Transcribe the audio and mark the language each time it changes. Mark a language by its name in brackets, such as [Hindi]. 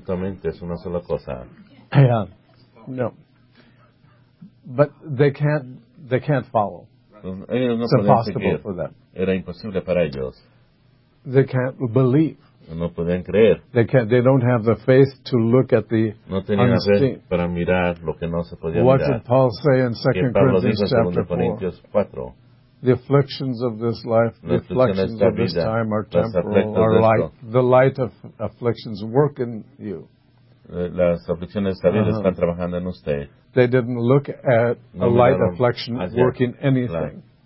[Spanish] Todo juntamente es una sola cosa. [English] Yeah. No, but they can't follow. [Spanish] Ellos no [English] it's impossible [Spanish] seguir. [English] For them. [Spanish] Era imposible para ellos. [English] They can't believe. No podían creer. They can't. They don't have the faith to look at the [Spanish] no tenían fe para mirar lo que no se podía mirar. [English] What did Paul say in 2 Corinthians chapter 4? The afflictions of this life, the afflictions of this time are temporal, are light. The light of afflictions work in you. [Spanish] las aflicciones salidas están trabajando en usted. [English] They didn't look at a light affliction working anything.